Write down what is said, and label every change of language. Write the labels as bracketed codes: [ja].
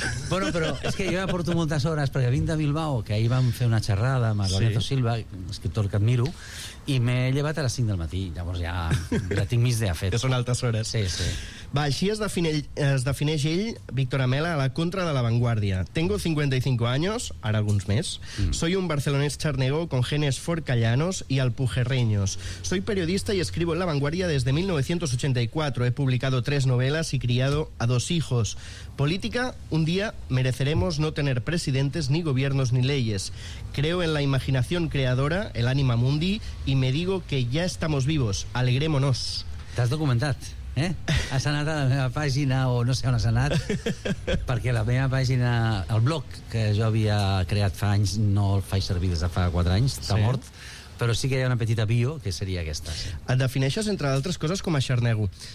[ca] Bueno, però és que jo ja porto moltes hores, perquè vinc de Bilbao, que ahir vam fer una xerrada amb el Lorenzo Silva, escriptor que admiro, i m'he llevat a les 5 del matí. Llavors ja tinc mig dia fet. Ja són altes hores. Sí, sí. Va, així es defineix ell, Víctor Amela, a la contra de l'avantguardia. [es] Tengo 55 años, [ca] ara alguns més. [es] Soy un barcelonés charnego con genes forcallanos y alpujerreños. Soy periodista y escribo en La Vanguardia desde 1984. He publicado 3 novelas y criado a 2 hijos. Política, un día mereceremos no tener presidentes, ni gobiernos, ni leyes. Creo en la imaginación creadora, el anima mundi, y me digo que ya estamos vivos. Alegrémonos. ¿Te has documentado? [ca] Has anat a la meva pàgina, o no sé on has anat, perquè la meva pàgina, el blog que jo havia creat fa anys, no el faig servir des de fa 4 anys, està mort, però sí que hi ha una petita bio, que seria aquesta. Et defineixes, entre altres coses, com a xarnego.